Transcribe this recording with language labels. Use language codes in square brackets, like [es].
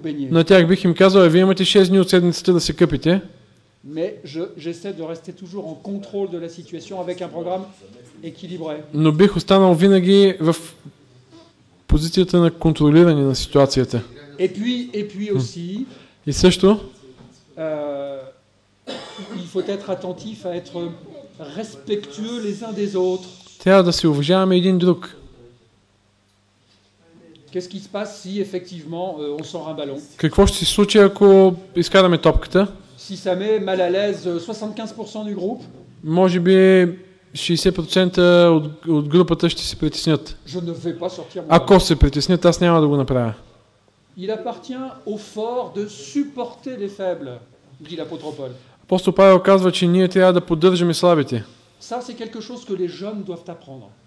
[bg] На тях бих им казал, вие имате 6 дни от седмицата да се къпите. [fr] Mais j'essaie de rester toujours en contrôle de la situation avec un programme équilibré. [bg] Но бих останал винаги в позицията на контролиране на ситуацията. [fr] Et puis aussi. [bg] И също. [fr] Il faut être attentif à être respectueux les uns des autres. [bg] Трябва да се уважаваме един друг. [fr] Qu'est-ce qui se passe si effectivement on sort un ballon? [bg] Какво ще се случи, ако изкараме топката? [fr] Si ça met mal à l'aise 75% du groupe. [bg] Може би 60% от групата ще се притеснят. [fr] Je ne vais pas sortir. [bg] Ако се притеснят, аз няма да го направя. [fr] Il appartient au fort de supporter les faibles, dit l'apôtre Paul. [bg] Апостол Павел казва, че ние трябва да поддържаме слабите. [fr] Ça c'est quelque chose que les jeunes doivent apprendre.